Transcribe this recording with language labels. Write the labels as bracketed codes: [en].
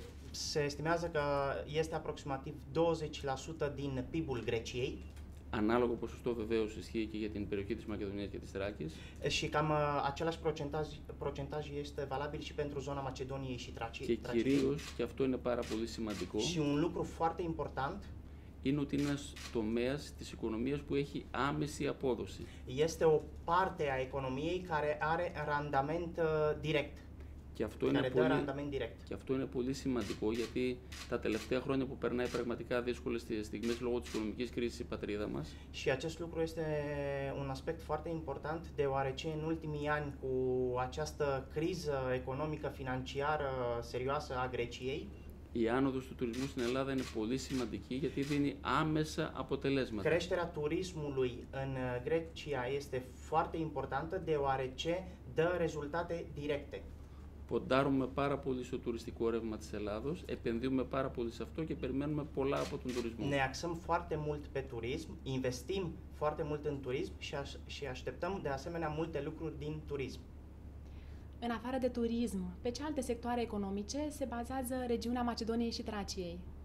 [ro] Se estimează că este aproximativ 20% din PIB-ul Greciei. [el] Analogo ποσοστό βεβαίως ισχύει και για την περιοχή της Μακεδονίας και της Θράκης. [ro] Și cam același procentaj este valabil și pentru zona Macedoniei și Traciei. [el] Και κυρίως, και αυτό είναι πάρα πολύ σημαντικό. [ro] Și un lucru foarte important. [el] Είναι ότι είναι ένας τομέας της οικονομίας που έχει άμεση απόδοση. [ro] Este o parte a economiei care are randament direct. [el] Και αυτό, είναι πολύ, και αυτό είναι πολύ σημαντικό, γιατί τα τελευταία χρόνια που περνάει πραγματικά δύσκολες στιγμές λόγω της οικονομικής κρίσης η πατρίδα μας. [ro] Și acest lucru este un aspect foarte important, deoarece în ultimii ani cu această criză economică financiară serioasă a Greciei. [el] Η άνοδος του τουρισμού στην Ελλάδα είναι πολύ σημαντική γιατί δίνει άμεσα αποτελέσματα. [ro] Creșterea turismului în Grecia este foarte importantă deoarece dă rezultate directe. [el] Ποντάρουμε πάρα πολύ στο τουριστικό ρεύμα της Ελλάδος, επενδύουμε πάρα πολύ σε αυτό και περιμένουμε πολλά από τον τουρισμό. [ro] Ne axăm foarte mult pe turism, investim foarte mult în turism și așteptăm de asemenea multe lucruri din turism. În afară de turism, pe ce alte sectoare economice se bazează regiunea Macedoniei și Traciei?